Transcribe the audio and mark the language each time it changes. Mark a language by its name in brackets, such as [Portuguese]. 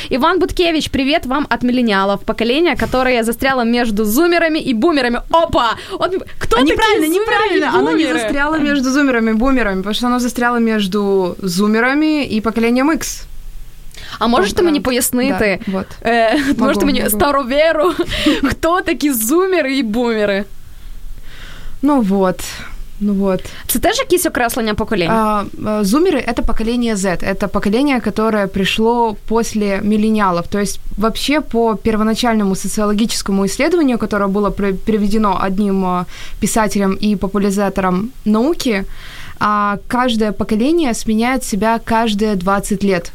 [Russian] Иван Буткевич, привет вам от миллениалов. Поколение, которое застряло между зумерами и бумерами. Опа! Вот, кто такие зумеры и бумеры? Неправильно, оно не застряло между зумерами и бумерами, потому что оно застряло между зумерами и поколением X. [Ukrainian] А можеш ти мені пояснити? [Russian] Да, вот. [Ukrainian] Можеш ти мені старовєру, хто такі зумери і бумери? [Russian] Ну вот. Ну вот. [Ukrainian] Це теж якісь окреслення поколінь? [Russian] Зумери – это поколение Z. Это поколение, которое пришло после миллениалов. То есть вообще по первоначальному социологическому исследованию, которое было проведено одним писателем и популяризатором науки, а каждое поколение сменяет себя каждое 20 лет.